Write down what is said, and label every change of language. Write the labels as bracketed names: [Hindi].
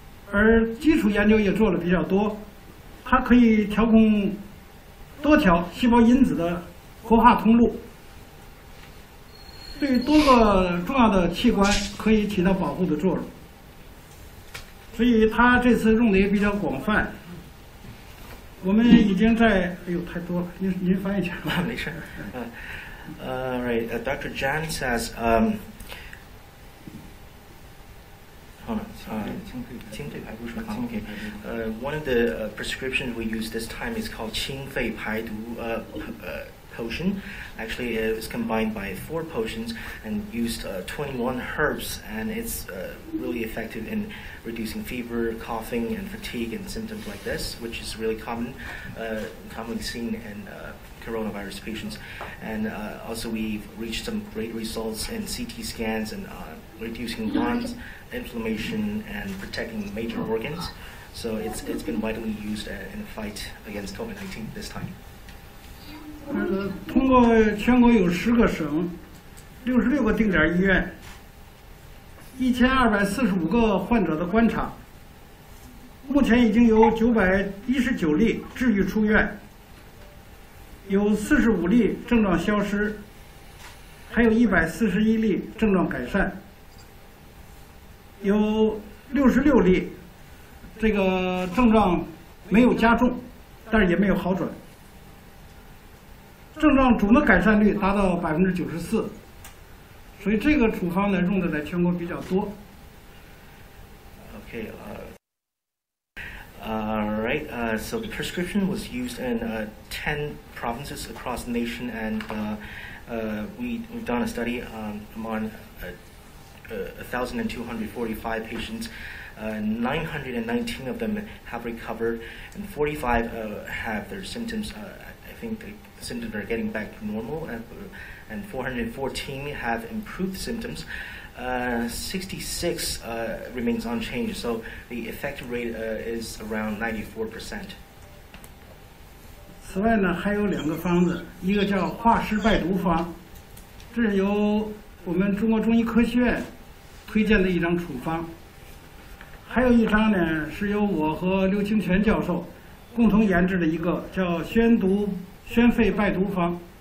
[Chinese] 而基础研究也做了比较多，它可以调控多条细胞因子的活化通路，对于多个重要的器官可以起到保护的作用，所以它这次用的也比较广泛。我们已经在您翻译一下吧。没事。 [English] Right, Dr. Jan says, one of the prescriptions we use this time is called 清肺排毒 potion. Actually, it was combined by 4 potions and used 21 herbs, and it's really effective in reducing fever, coughing, and fatigue and symptoms like this, which is really commonly seen in coronavirus patients. And also, we've reached some great results in CT scans and reducing burns. Inflammation and protecting major organs, so it's been widely used in a fight against COVID-19 this time. [Chinese] 通过全国有10个省、66个定点医院、1245个患者的观察，目前已经有919例治愈出院，有45例症状消失，还有141例症状改善。有66例，这个症状没有加重，但是也没有好转。症状总的改善率达到94%，所以这个处方呢，用的在全国比较多。 [English] Okay, right. So the prescription was used in 10 provinces across the nation, and we've done a study among. 1,245 patients, 919 of them have recovered, and 45 have their symptoms. I think the symptoms are getting back to normal, and 414 have improved symptoms. 66 remains unchanged, so the effective rate is around 94%. [Chinese] 此外呢，还有两个方子，一个叫化湿败毒方，这是由我们中国中医科学院推荐的一张处方，还有一张呢是由我和刘清泉教授共同研制的一个叫宣肺败毒方。